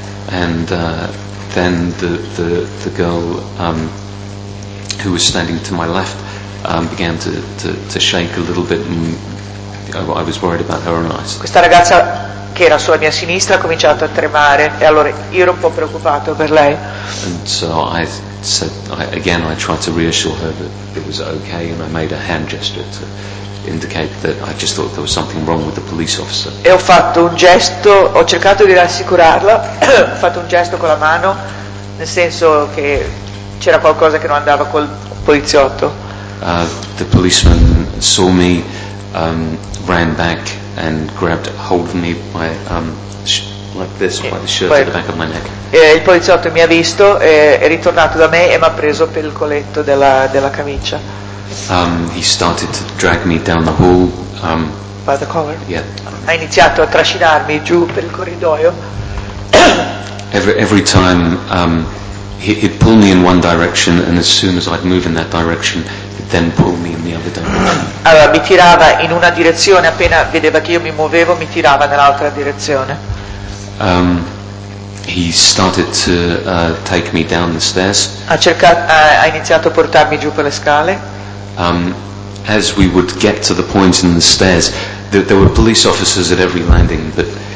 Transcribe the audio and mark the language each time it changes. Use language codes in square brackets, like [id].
[en] And then the girl who was standing to my left began to shake a little bit. And I was worried about her and I. [it] Questa ragazza che era sulla mia sinistra ha cominciato a tremare e allora io ero un po' preoccupato per lei. [en] And so I said, again I tried to reassure her that it was okay and I made a hand gesture to indicate that I just thought there was something wrong with the police officer. [it] E ho fatto un gesto, ho cercato di rassicurarla, ho fatto un gesto con la mano, nel senso che c'era qualcosa che non andava col poliziotto. [en] The policeman saw me, ran back and grabbed hold of me by by the shirt at the back of my neck. [it] Il poliziotto mi ha visto, è ritornato da me e mi ha preso per il colletto della camicia. [en] He started to drag me down the hall. By the collar. Yeah. [it] Ha iniziato a trascinarmi giù per il corridoio. [en] Every time he'd pull me in one direction, and as soon as I'd move in that direction, he'd then pull me in the other direction. [it] Allora mi tirava in una direzione, appena vedeva che io mi muovevo, mi tirava nell'altra direzione. [en] He started to take me down the stairs. [it] Ha iniziato a portarmi giù per le scale. [en] As we would get to the point in the stairs, there were police officers at every landing, but